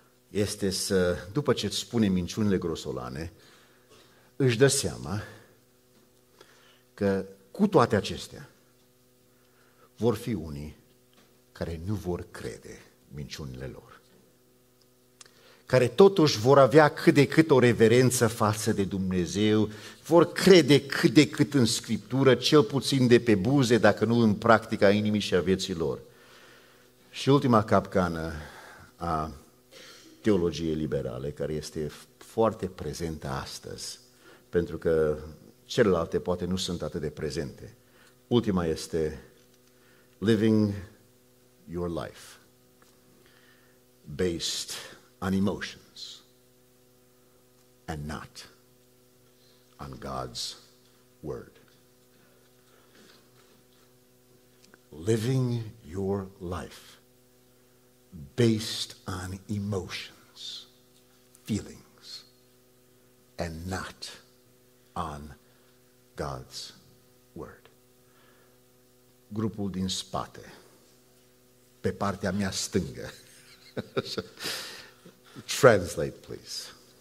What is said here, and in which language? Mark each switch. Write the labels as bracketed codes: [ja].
[ro] este să, după ce îți spune minciunile grosolane, își dă seama că cu toate acestea vor fi unii care nu vor crede minciunile lor, care totuși vor avea cât de cât o reverență față de Dumnezeu, vor crede cât de cât în Scriptură, cel puțin de pe buze, dacă nu în practica inimii și a vieții lor. Și ultima capcană a teologiei liberale, care este foarte prezentă astăzi, pentru că celelalte poate nu sunt atât de prezente. Ultima este [en] living your life based on emotions and not on God's word. Living your life based on emotions, feelings, and not on God's word. [ro] Grupul din spate, pe partea mea stângă. [en] Translate, please.